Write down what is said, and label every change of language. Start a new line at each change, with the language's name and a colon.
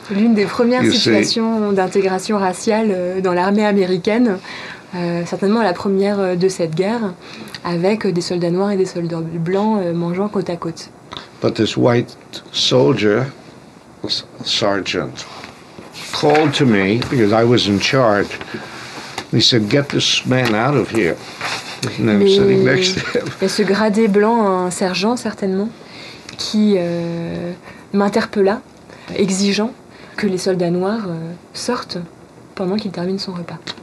French: L'une des premières situations d'intégration raciale dans l'armée américaine, certainement la première de cette guerre, avec des soldats noirs et des soldats blancs mangeant côte à côte.
English: But this white soldier, sergeant, called to me because I was in charge. He said, "Get this man out of here." And I'm sitting next to him.
French: Et ce gradé blanc, un sergent certainement, qui m'interpella, exigeant que les soldats noirs sortent pendant qu'il termine son repas.